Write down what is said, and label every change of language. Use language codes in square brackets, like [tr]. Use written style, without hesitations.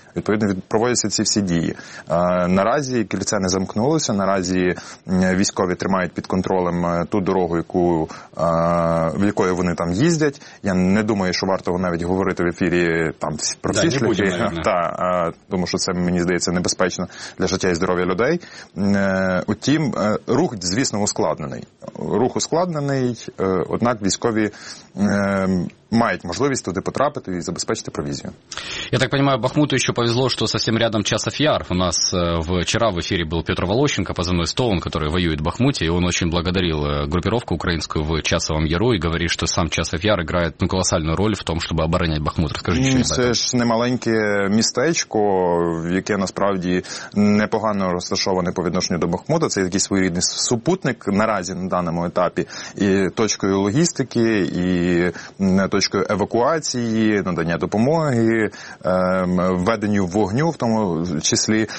[uk] Відповідно, проводяться ці всі дії. Наразі кільце не замкнулося, наразі військові тримають під контролем ту дорогу, яку, в якої вони там їздять. Я не думаю, що варто навіть говорити в ефірі там про всі шляхи. Тому що це, мені здається, небезпечно для життя і здоров'я людей. Утім, рух, звісно, ускладнений. Рух ускладнений, однак військові мають можливість туди потрапити і забезпечити провізію. [ru] Я так понимаю, Бахмуту еще повезло, что совсем рядом Часов Яр. У нас вчера в эфире был Петр Волощенко, позывной Стоун, который воюет в Бахмуте, и он очень благодарил группировку украинскую в Часовом Яру и говорит, что сам Часов Яр играет колоссальную роль в том, чтобы оборонять Бахмут. Расскажи, что это? Это ж [uk] не маленьке містечко, яке насправді непогано розташоване по відношенню до Бахмута. Це якийсь своєрідний супутник наразі на даному етапі і точкою логістики, і точкою евакуації, надання допомоги, введенню вогню в тому числі.